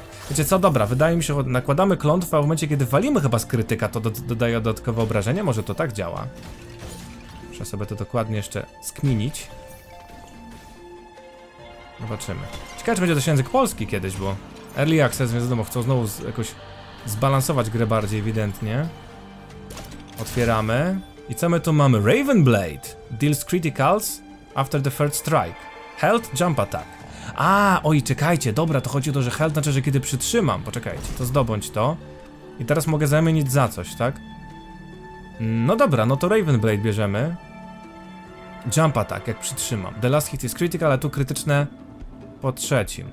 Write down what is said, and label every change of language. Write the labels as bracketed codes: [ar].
[pl] Wiecie co, dobra, wydaje mi się, że nakładamy klątwę, a w momencie, kiedy walimy chyba z krytyka, to dodaje dodatkowe obrażenie? Może to tak działa? Muszę sobie to dokładnie jeszcze skminić. Zobaczymy. Ciekawe, czy będzie to się język polski kiedyś, bo Early Access, więc wiadomo, chcą znowu jakoś zbalansować grę bardziej ewidentnie. Otwieramy. I co my tu mamy? [en] Raven Blade deals criticals after the third strike. Health jump attack. [pl] A, oj, czekajcie, dobra, to chodzi o to, że health znaczy, że kiedy przytrzymam, poczekajcie, to zdobądź to. I teraz mogę zamienić za coś, tak? No dobra, no to Raven Blade bierzemy. Jump attack, jak przytrzymam. [en] The last hit is critical, [pl] ale tu krytyczne po trzecim.